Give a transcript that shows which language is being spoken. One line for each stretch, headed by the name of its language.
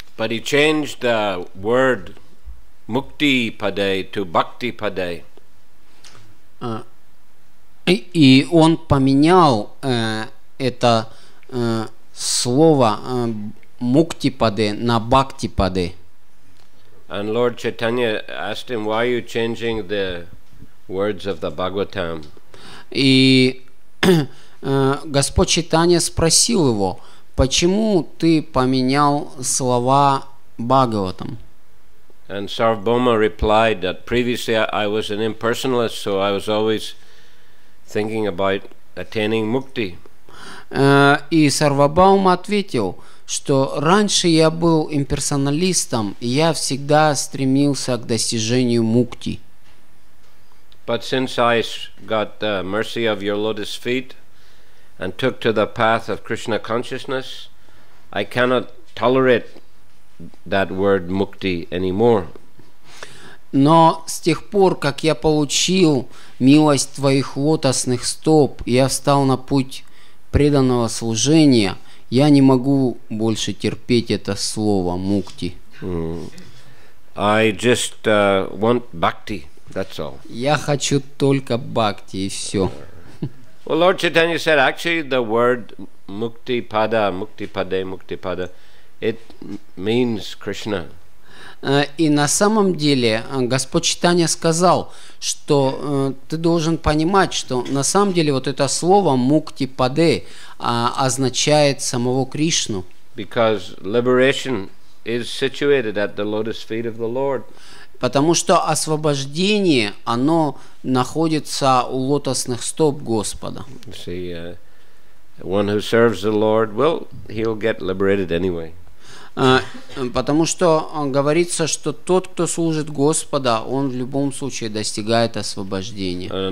English: But he changed the word mukti padai to bhakti padai.
Russian: И он поменял это слово мукти паде на бхакти паде.
English: And Lord Chaitanya asked him, why are you changing the words of the Bhagavatam?
Russian: И Господь Чайтанья спросил его, почему ты поменял слова Бхагаватам?
English: And Sarvabhauma replied that previously I was an impersonalist, so I was always thinking about attaining mukti.
Russian: И Сарвабхаума ответил, что раньше я был имперсоналистом, и я всегда стремился к достижению мукти.
English: But since I got the mercy of your lotus feet and took to the path of Krishna consciousness, I cannot tolerate that word mukti anymore.
Russian: Но с тех пор, как я получил милость твоих лотосных стоп, я встал на путь преданного служения, я не могу больше терпеть это слово мукти.
English: I just want bhakti, that's all.
Russian: Я хочу только бхакти и все.
English: Well, Lord Chaitanya said actually the word mukti pada, mukti pada, mukti pada, it means Krishna.
Russian: И на самом деле Господь Чайтанья сказал, что ты должен понимать, что на самом деле вот это слово мукти паде означает самого Кришну.
English: Because liberation is situated at the lotus feet of the Lord.
Russian: Потому что освобождение, оно находится у лотосных стоп Господа.
English: See, one who serves the Lord, well, he'll get liberated anyway.
Russian: Потому что говорится, что тот, кто служит Господа, он в любом случае достигает освобождения.